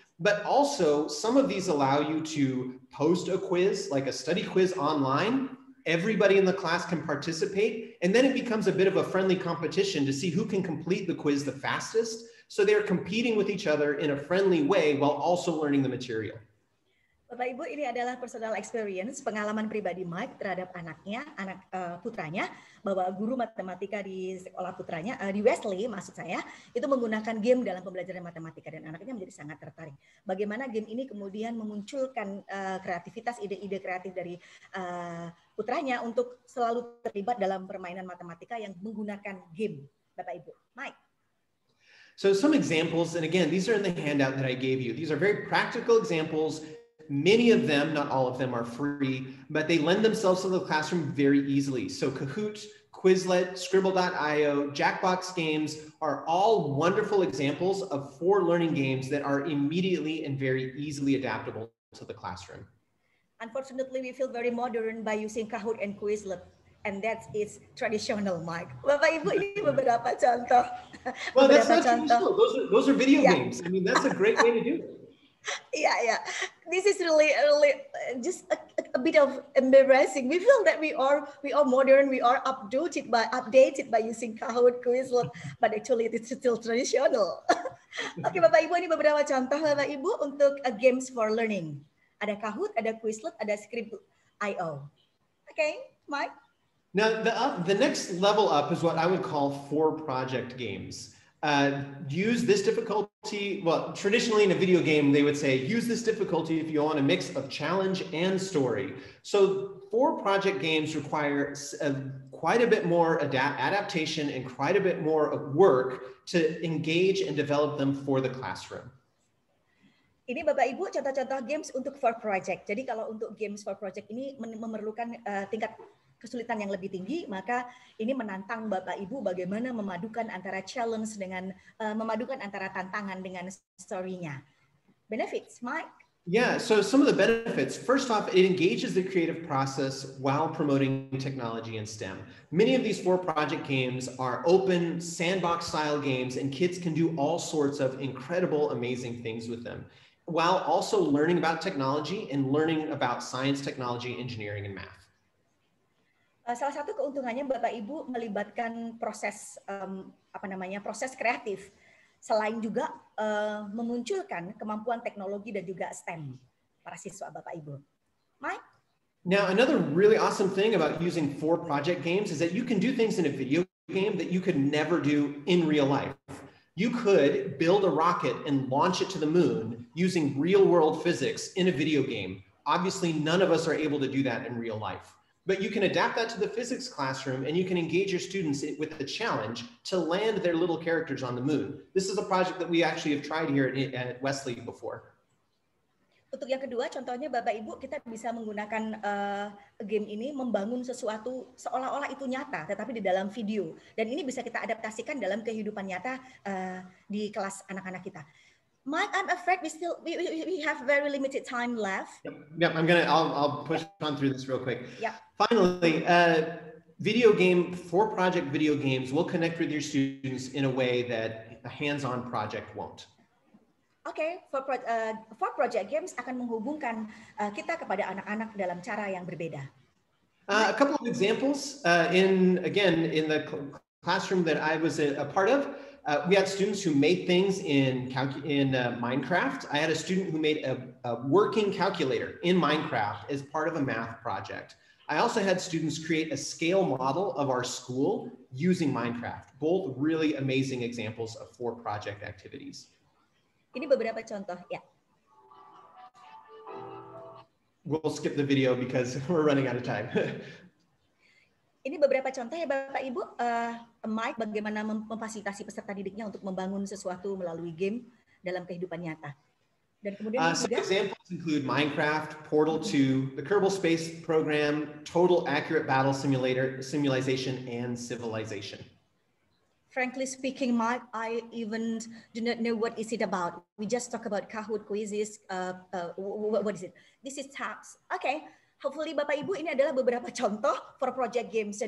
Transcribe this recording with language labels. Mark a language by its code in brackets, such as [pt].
[en] But also some of these allow you to post a quiz, like a study quiz online. Everybody in the class can participate. And then it becomes a bit of a friendly competition to see who can complete the quiz the fastest. So they're competing with each other in a friendly way while also learning the material. [id] Bapak Ibu, ini adalah [en] personal experience, [id] pengalaman pribadi Mike terhadap putranya, bahwa guru matematika di sekolah putranya, di Wesley maksud saya, itu menggunakan game dalam pembelajaran matematika dan anaknya menjadi sangat tertarik. Bagaimana game ini kemudian memunculkan kreativitas, ide-ide kreatif dari putranya untuk selalu terlibat dalam permainan matematika yang menggunakan game, Bapak Ibu. Mike. [en] So some examples, and again, these are in the handout that I gave you. These are very practical examples. Many of them, not all of them, are free, but they lend themselves to the classroom very easily. So Kahoot, Quizlet, Scribble.io, Jackbox Games are all wonderful examples of for learning games that are immediately and very easily adaptable to the classroom. Unfortunately, we feel very modern by using Kahoot and Quizlet, and that is traditional, Mike. [id] Bapak Ibu, ini beberapa contoh. [en] Well, that's not traditional. Those are video games. I mean, that's a great way to do it. Yeah. This is really just a bit of embarrassing. We feel that we are modern, we are updated by using Kahoot, Quizlet, but actually it's still traditional. [id] Okay, Bapak Ibu, ini beberapa contoh Bapak Ibu untuk [en] games for learning. [id] Ada Kahoot, ada Quizlet, ada Scribble.io. Okay, Mike? [en] Now, the next level up is what I would call for project games. Use this difficulty, well, traditionally in a video game, they would say, use this difficulty if you want a mix of challenge and story. So for project games require quite a bit more adaptation and quite a bit more work to engage and develop them for the classroom. [id] Ini Bapak Ibu contoh-contoh games untuk [en] for project. [id] Jadi kalau untuk [en] games for project [id] ini memerlukan tingkat kesulitan yang lebih tinggi, maka ini menantang Bapak Ibu bagaimana memadukan antara challenge dengan memadukan antara tantangan dengan story-nya. [en] Benefits, Mike? Yeah, so some of the benefits. First off, it engages the creative process while promoting technology and STEM. Many of these four project games are open sandbox style games, and kids can do all sorts of incredible, amazing things with them, while also learning about technology and learning about science, technology, engineering, and math. [id] Salah satu keuntungannya Bapak Ibu melibatkan proses proses kreatif, selain juga memunculkan kemampuan teknologi dan juga STEM para siswa Bapak Ibu. Mike? [en] Now, another really awesome thing about using four project games is that you can do things in a video game that you could never do in real life. You could build a rocket and launch it to the moon using real world physics in a video game. Obviously, none of us are able to do that in real life. But you can adapt that to the physics classroom, and you can engage your students with the challenge to land their little characters on the moon. This is a project that we actually have tried here at Wesley before. [id] Untuk yang kedua, contohnya Bapak Ibu, kita bisa menggunakan game ini membangun sesuatu seolah-olah itu nyata, tetapi di dalam video. Dan ini bisa kita adaptasikan dalam kehidupan nyata di kelas anak-anak kita. [en] Mike, I'm afraid we have very limited time left. Yep. I'll push on through this real quick. Yep. Finally, video game for project video games will connect with your students in a way that a hands-on project won't. Okay, for project games [id] akan menghubungkan kita kepada anak-anak dalam cara yang berbeda. [en] A couple of examples in the classroom that I was a part of. We had students who made things in Minecraft. I had a student who made a working calculator in Minecraft as part of a math project. I also had students create a scale model of our school using Minecraft. Both really amazing examples of four project activities. [id] Ini beberapa contoh, ya. [en] We'll skip the video because we're running out of time. [id] Ini beberapa contoh ya Bapak Ibu, Mike, bagaimana memfasilitasi peserta didiknya untuk membangun sesuatu melalui game dalam kehidupan nyata. Dan kemudian [en] some examples include Minecraft, Portal 2, the Kerbal Space Program, Total Accurate Battle Simulator, Simulization, and Civilization. Frankly speaking, Mike, I even do not know what is it about. We just talk about Kahoot quizzes. What is it? This is tabs. Okay. Hopefully [id] Bapak Ibu ini adalah beberapa contoh [en] for project games.